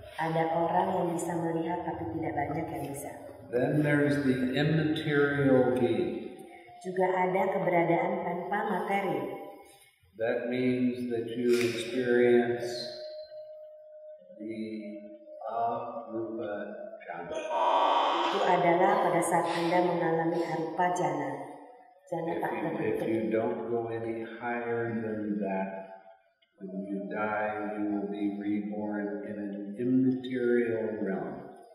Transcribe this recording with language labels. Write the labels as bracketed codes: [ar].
[id] Ada orang yang bisa melihat, tapi tidak banyak yang bisa. [en] Then there is the immaterial being. [id] Juga ada keberadaan tanpa materi. [en] That means that you experience the arupa jana. [id] Itu adalah pada saat Anda mengalami arupa jana. [en] If you don't go any higher than that, when you die, you will be reborn in an immaterial realm.